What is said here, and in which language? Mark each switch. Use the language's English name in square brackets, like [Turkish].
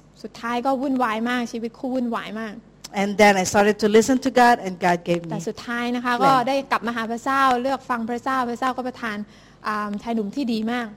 [Thai] สุดท้ายก็วุ่นวายมากชีวิตคู่วุ่นวายมาก [English] and then I started to listen to God and God gave me [Thai] แต่สุดท้ายนะคะก็ได้กลับมาหาพระเจ้าเลือกฟังพระเจ้าพระเจ้าก็ประทานชายหนุ่มที่ดีมาก